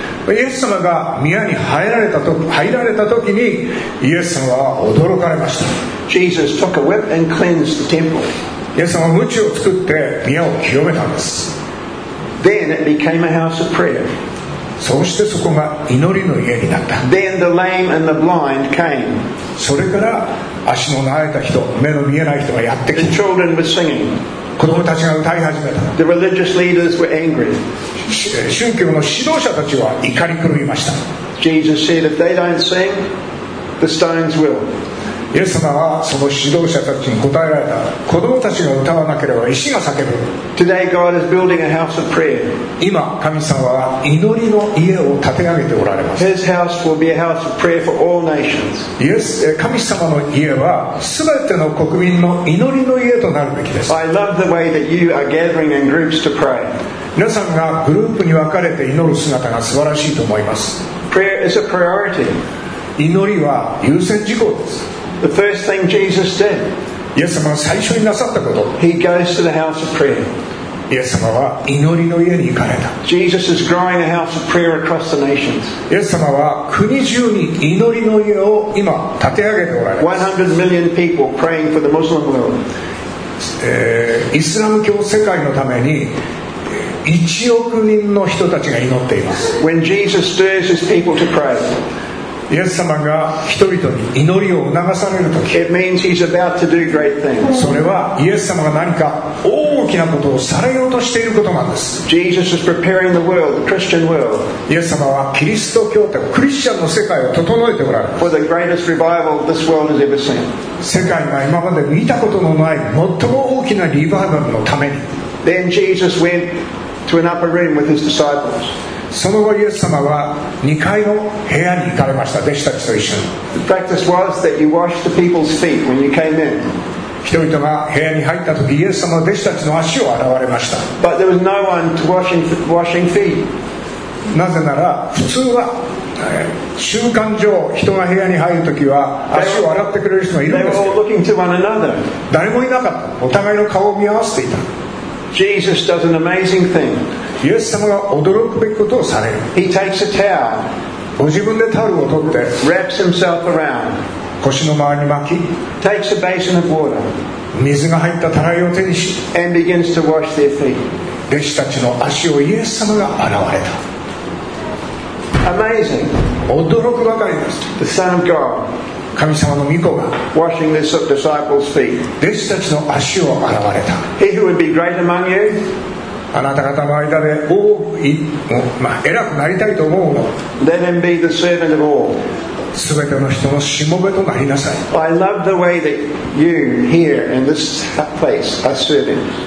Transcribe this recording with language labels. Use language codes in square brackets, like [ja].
[ja] イエス様が宮に入られた時にイエス様は驚かれました。 [en] Jesus took a whip and cleansed the temple. [ja] イエス様は鞭を作って宮を清めたんです。 [en] Then it became a house of prayer. [ja] そしてそこが祈りの家になった。 [en] Then the lame and the blind came. [ja] それから足の慣れた人、目の見えない人がやってきた。 [en] The children were singing. [ja] 子供たちが歌い始めた。 [en] The religious leaders were angry. [ja] 宗教の指導者たちは怒り狂いました。 [en] Jesus said, if they don't sing, the stones will. [ja] イエス様はその指導者たちに答えられた。子供たちが歌わなければ石が叫ぶ。 [en] Today God is building a house of prayer. [ja] 今神様は祈りの家を建て上げておられます。 [en] His house will be a house of prayer for all nations. [ja] イエス、神様の家は全ての国民の祈りの家となるべきです。 [en] I love the way that you are gathering in groups to pray. [ja] 皆さんがグループに分かれて祈る姿が素晴らしいと思います。 [en] Prayer is a priority. [ja] 祈りは優先事項です。 [en] The first thing Jesus did. [ja] イエス様が最初になさったこと。 [en] He goes to the house of prayer. [ja] イエス様は祈りの家に行かれた。 [en] Jesus is growing a house of prayer across the nations. [ja] イエス様は国中に祈りの家を今建て上げておられます。 [en] 100 million people praying for the Muslim world. [ja] イスラム教世界のために1億人の人たちが祈っています。 [en] When Jesus stirs his people to pray. [ja] イエス様が人々に祈りを促されるとき、 [en] It means he's about to do great things. [ja] それはイエス様が何か大きなことをされようとしていることなんです。 [en] Jesus is preparing the world, the Christian world. [ja] イエス様はキリスト教徒、クリスチャンの世界を整えておられる。 [en] For the greatest revival this world has ever seen. [ja] 世界が今まで見たことのない最も大きなリバイバルのために。 [en] Then Jesus went to an upper room with his disciples. [ja] その後イエス様は2階の部屋に行かれました。弟子たちと一緒に。 [en] The practice was that you washed the people's feet when you came in. [ja] 人々が部屋に入った時、イエス様は弟子たちの足を洗われました。 [en] But there was no one to washing feet. [ja] なぜなら普通は習慣上人が部屋に入る時は足を洗ってくれる人がいるんです [en] よ。They were all looking to one another. [ja] 誰もいなかった。お互いの顔を見合わせていた。 [en] Jesus does an amazing thing. [ja] イエス様が驚くべきことをされる。 [en] He takes a towel, [ja] ご自分でタオルを取って [en] wraps himself around, [ja] 腰の周りに巻き [en] takes a basin of water, [ja] 水が入ったたらいを手にし [en] and begins to wash their feet. [ja] 弟子たちの足をイエス様が洗われた。 [en] Amazing. [ja] 驚くばかりです。 [en] The Son of God, [ja] 神様の御子が [en] washing the disciples' feet. [ja] 弟子たちの足を洗われた。 [en] He who would be great among you, [ja] あなた方の間で大い、まあ、偉くなりたいと思うの。 [en] Let him be the servant of all. [ja] 全ての人のしもべとなりなさい。 [en] I love the way that you here in this place are serving.